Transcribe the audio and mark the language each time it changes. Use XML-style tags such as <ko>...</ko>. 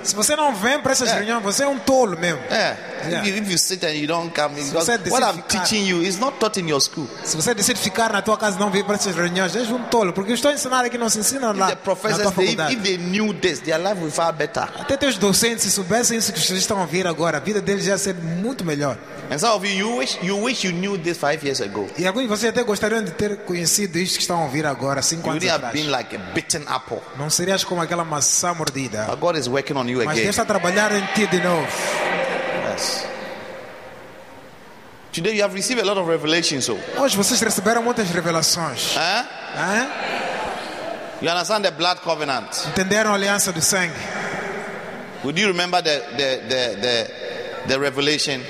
<pt>Se você não vem para essas reuniões, você é tolo mesmo.</pt> <en>Yeah. Yeah. If you sit and you don't come, because what I'm teaching you is not taught in your school.</en> <pt>Se você decide ficar na tua casa e não vir para essas reuniões, és tolo, porque estou a ensinar aqui não se ensina lá.</pt> <en>The professors, if they knew this, their life would be far better.</en> <pt>Até teus docentes se soubessem isso que vocês estão a ouvir agora, a vida deles já seria muito melhor.</pt> <en>And some of you wish you knew this 5 years ago.</en> <pt>E alguns de vocês até gostariam de ter conhecido isto que estão a ouvir agora 5 anos atrás.</pt> <en>Been like a bitten apple.</en> <pt>Não serias como aquela maçã mordida.</pt> <en>But God is working on you again.</en> <pt>Mas Deus está a trabalhar em ti de novo.</pt> <en>Yes. Today you have received a lot of revelations, so.</en> <pt>Hoje vocês receberam muitas revelações.</pt> <en>You understand the blood covenant?</en> <pt>Entenderam a aliança do sangue?</pt> <en>Would you remember the revelation?</en>